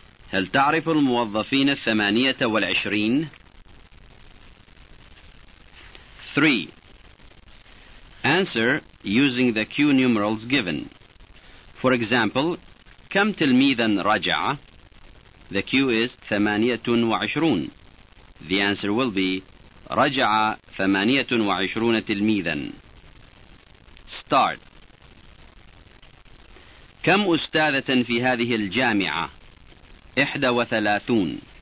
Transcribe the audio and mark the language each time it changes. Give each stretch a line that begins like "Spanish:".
Arabic: هل تعرف الموظفين الثمانية والعشرين؟ 3.
English: Answer using the Q numerals given. For example,
Arabic: كم تلميذا رجع؟
English: The Q is 28. The answer will be
Arabic: رجع 28 تلميذا.
English: Start.
Arabic: كم أستاذة في هذه الجامعة؟ 31.